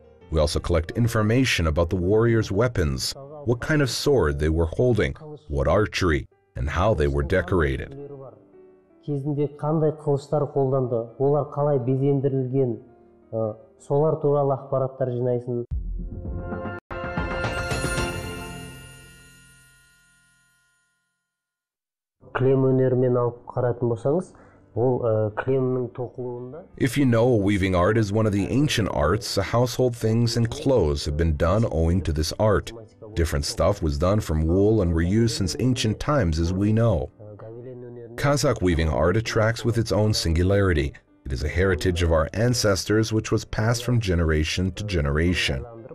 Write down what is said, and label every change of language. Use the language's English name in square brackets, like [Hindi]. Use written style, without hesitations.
[English] We also collect information about the warriors' weapons, what kind of sword they were holding, what archery, and how they were decorated. [Kazakh] Кезінде қандай қылыштар қолданды, олар қалай безендірілген, солар туралы ақпараттар жинайсын. Кілем өнерімен алып қаратын болсаңыз, ол кілемнің тоқылуында... [English] If you know, weaving art is one of the ancient arts, the household things and clothes have been done owing to this art. Different stuff was done from wool and were used since ancient times as we know. Kazakh weaving art attracts with its own singularity. It is a heritage of our ancestors which was passed from generation to generation.